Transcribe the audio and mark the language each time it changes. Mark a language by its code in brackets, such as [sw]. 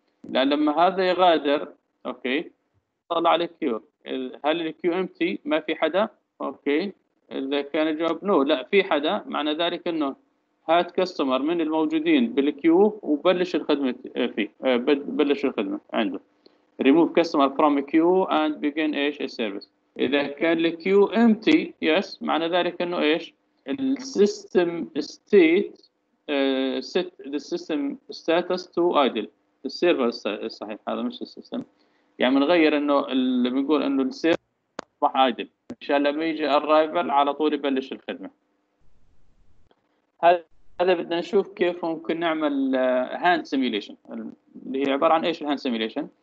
[ar] لما هذا يغادر، اوكي، طلع على الكيو، هل الكيو امتي ما في حدا؟ اوكي، اذا كان الجواب نو، لا في حدا، معنى ذلك انه هات كاستمر من الموجودين بالكيو وبلش الخدمه فيه، بلش الخدمه عنده. [en] Remove customer from a queue and begin ايش؟ service. [ar] إذا كان ال [en] queue empty، yes، [ar] معنى ذلك إنه ايش؟ ال [en] system state set the system status to idle. The server [ar] صحيح، هذا مش system. يعني بنغير إنه اللي بنقول إنه ال server صح idle. إن شاء الله لما يجي arrival على طول يبلش الخدمة. هذا بدنا نشوف كيف ممكن نعمل هاند سيميليشن، اللي هي عباره عن ايش الهاند سيميليشن.